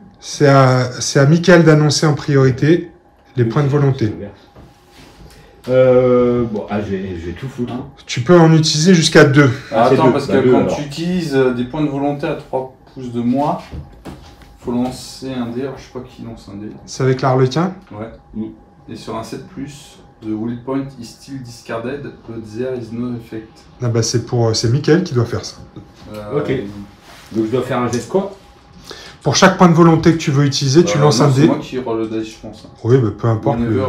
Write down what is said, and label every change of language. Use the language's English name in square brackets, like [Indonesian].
[French] C'est à Mickaël d'annoncer en priorité les points de volonté. Je vais tout foutre. Hein. Tu peux en utiliser jusqu'à 2. Tu utilises des points de volonté à 3 pouces de moi... Faut lancer un dé, alors je sais pas qui lance un dé. C'est avec l'Arlequin ? Ouais. Mmh. Et sur un 7 plus, [English] the will point is still discarded, but there is no effect. [French] Ah bah c'est Mickaël qui doit faire ça. Ok. Donc je dois faire un geste quoi ? Pour chaque point de volonté que tu veux utiliser, tu lances un dé. C'est moi qui roule le dé, je pense. Oui, mais bah peu importe.